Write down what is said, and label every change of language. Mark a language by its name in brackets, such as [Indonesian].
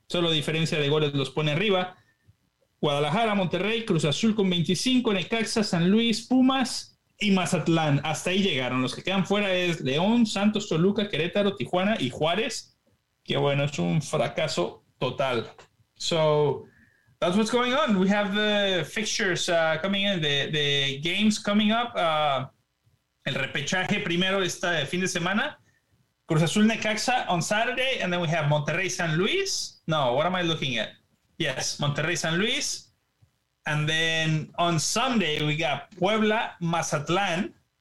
[Spanish] Solo diferencia de goles los pone arriba. Guadalajara, Monterrey, Cruz Azul con 25, Necaxa, San Luis, Pumas y Mazatlán. Hasta ahí llegaron. Los que quedan fuera es León, Santos, Toluca, Querétaro, Tijuana y Juárez. Que bueno, es un fracaso total. [English] So that's what's going on. We have the fixtures coming in, the games coming up. [Spanish] El repechaje primero está de fin de semana. [English] Cruz Azul Necaxa on Saturday, and then we have Monterrey San Luis. No, what am I looking at? Yes, Monterrey San Luis. And then on Sunday, we got Puebla Mazatlán.